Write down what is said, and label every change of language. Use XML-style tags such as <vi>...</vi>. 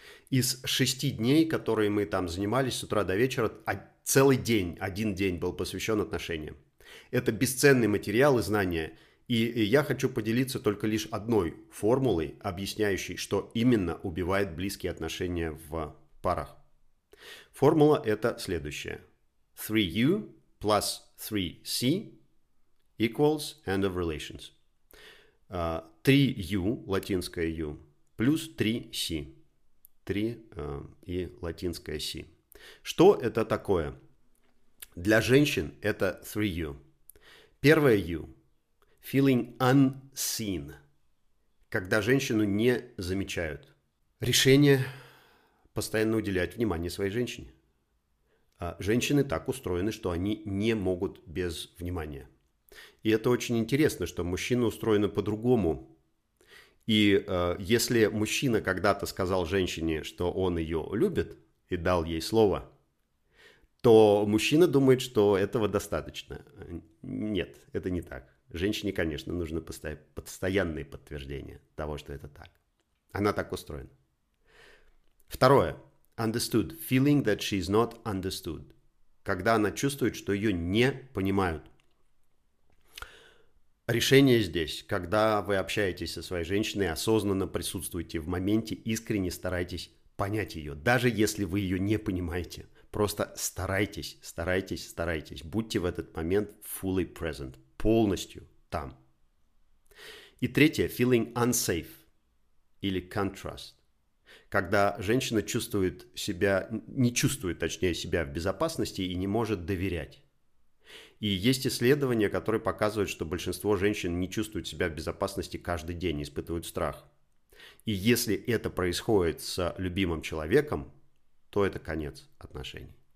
<ru>Из 6 дней, которые мы там занимались с утра до вечера, целый день, один день был посвящен отношениям. Это бесценный материал и знания, и я хочу поделиться только лишь одной формулой, объясняющей, что именно убивает близкие отношения в парах. Формула это следующая.</ru> <en>3U plus 3C equals end of relations.</en> <ru>3U, латинское U, плюс 3C. 3 и латинское C. Что это такое? Для женщин это 3U. Первое «you» –</ru> <en>«feeling unseen»,</en> <ru>когда женщину не замечают. Решение – постоянно уделять внимание своей женщине. Женщины так устроены, что они не могут без внимания. И это очень интересно, что мужчины устроены по-другому. И если мужчина когда-то сказал женщине, что он ее любит и дал ей слово, то мужчина думает, что этого достаточно. Нет, это не так. Женщине, конечно, нужны постоянные подтверждения того, что это так. Она так устроена. Второе.</ru> <en>Understood. Feeling that she is not understood.</en> <ru>Когда она чувствует, что ее не понимают. Решение здесь, когда вы общаетесь со своей женщиной, осознанно присутствуете в моменте, искренне старайтесь понять ее, даже если вы ее не понимаете. Просто старайтесь, старайтесь, старайтесь. Будьте в этот момент</ru> <en>fully present,</en> <ru>полностью там. И третье,</ru> <en>feeling unsafe или can't trust.</en> <ru>когда женщина чувствует себя, не чувствует, точнее, себя в безопасности и не может доверять. И есть исследования, которые показывают, что большинство женщин не чувствуют себя в безопасности каждый день, испытывают страх. И если это происходит с любимым человеком, то это конец отношений.</ru>